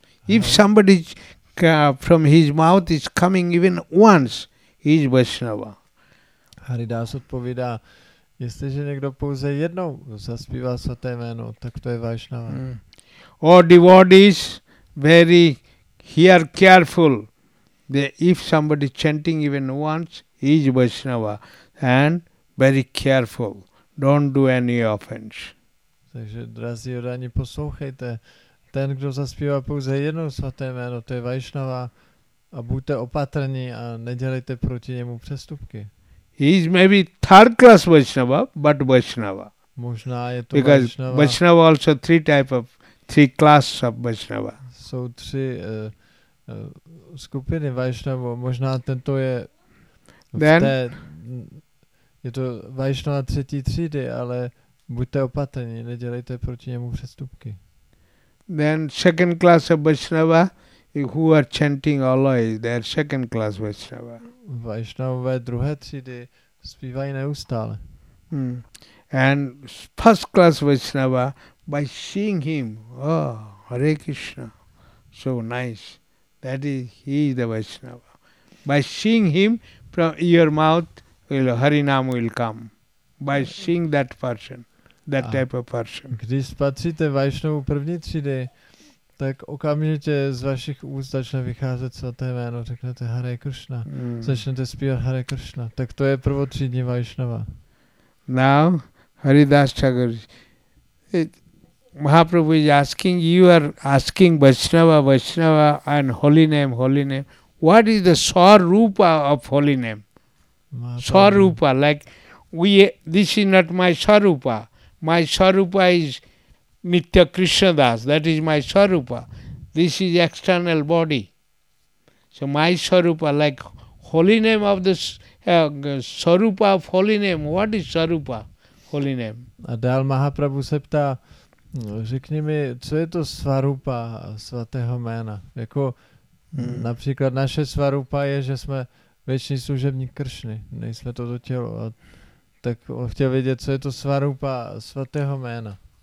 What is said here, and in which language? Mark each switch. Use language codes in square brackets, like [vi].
[en] If somebody from his mouth is coming even once, he is Vaishnava. [cs] Haridas odpovídá, jestliže někdo pouze jednou zaspívá svaté jméno, tak to je Vaishnava. [en] Oh, devotees, very here careful. That if somebody chanting even once, he is Vaishnava. And very careful. Don't do any offense. [cs] Takže, drazí odaní, poslouchejte. Ten, kdo zaspívá pouze jednou svaté jméno, to je Vaishnava. A buďte opatrní a nedělejte proti němu přestupky. [en] He is maybe third class Vaishnava, but Vaishnava. [cs] Možná je to [en] because Vaishnava. Vaishnava also three type of, three class of Vaishnava. [cs] Jsou tři skupiny Vaishnava. Možná tento je [en] then, [cs] té, je to Vaishnava třetí třídy, ale buďte opatrní, nedělejte proti němu přestupky. [en] Then second class of Vaishnava, who are chanting always, they are second class Vaishnava. [cs] Vaishnavové druhé třídy zpívají neustále. Hmm. [en] And first class Vaishnava, by seeing him, oh, Hare Krishna, so nice, that is, he is the Vaishnava. By seeing him, from your mouth, will, Harinam will come. By seeing that person, that a type of person. [cs] Když spatříte Vaishnavu první třídy, tak okamžitě z vašich úst začne vycházet svaté jméno, řeknete Hare Krishna, začnete zpívat Hare Krishna. Tak to je prvotřídní Vaishnava. [en] Now, Haridas Chakur, Mahaprabhu is asking, you are asking Vaishnava, Vaishnava and holy name, holy name. What is the Swarupa of holy name? Swarupa, like, we, this is not my Swarupa. My Swarupa is Nitya Krishna Das, that is my Swarupa. This is external body. So my Swarupa, like holy name of the Swarupa of holy name, what is Swarupa, holy name? [cs] A dál Mahaprabhu se ptá, řekni mi, co je to Swarupa svatého jména? Jako například naše Swarupa je, že jsme věční služební Kršny, nejsme toto tělo. A tak on chtěl vědět, co je to Swarupa svatého jména.